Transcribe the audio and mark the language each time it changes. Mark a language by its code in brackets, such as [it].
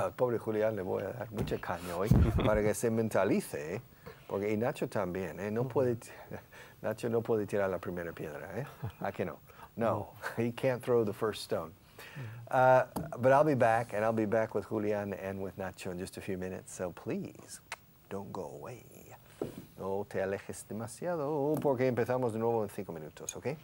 [es] Pobre Julián, le voy a dar mucha caña hoy para que se mentalice. Porque, y Nacho también, ¿eh? Nacho no puede tirar la primera piedra, ¿eh? ¿A que no? [en] No, he can't throw the first stone. But I'll be back, and I'll be back with Julián and with Nacho in just a few minutes. So please, don't go away. [es] No te alejes demasiado, porque empezamos de nuevo en 5 minutos, ¿ok?